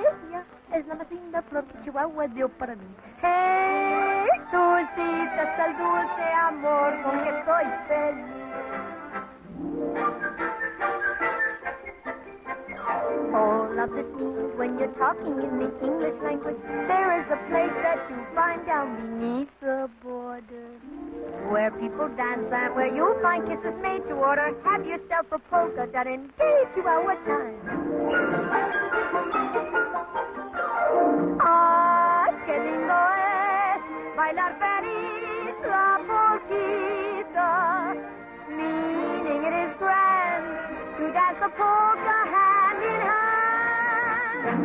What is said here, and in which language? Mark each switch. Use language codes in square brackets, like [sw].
[es] Ella es la más linda flor que Chihuahua dio para mí. Dulcita, es el dulce amor con que soy feliz. [en] Love me when you're talking in the English language. There is a place that you find down beneath the border, where people dance and where you'll find kisses made to order. Have yourself a polka that engage you our time. [es] Ah, qué lindo es bailar feliz la polquita. [en] Meaning it is grand to dance a polka hand in hand.